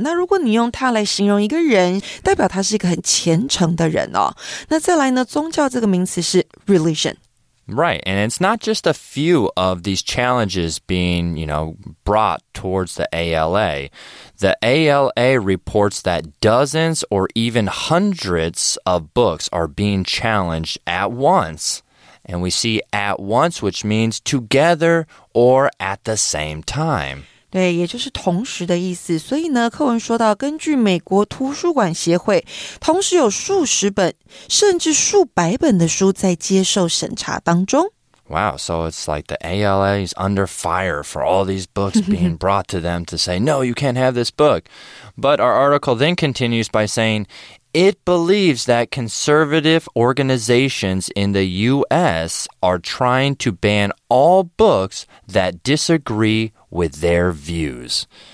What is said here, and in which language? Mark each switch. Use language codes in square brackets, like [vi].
[zh] 那如果你用它来形容一个人，代表他是一个很虔诚的人哦。那再来呢，宗教这个名词是 religion. [en] Right, and it's not just a few of these challenges being, you know, brought towards the ALA. The ALA reports that dozens or even hundreds of books are being challenged at once. And we see at once, which means together or at the same time. [zh] 对，也就是同时的意思。所以呢，课文说到，根据美国图书馆协会，同时有数十本甚至数百本的书在接受审查当中。 [en] Wow, so it's like the ALA is under fire for all these books being brought to them to say, no, you can't have this book. But our article then continues by saying, it believes that conservative organizations in the U.S. are trying to ban all books that disagree with their views.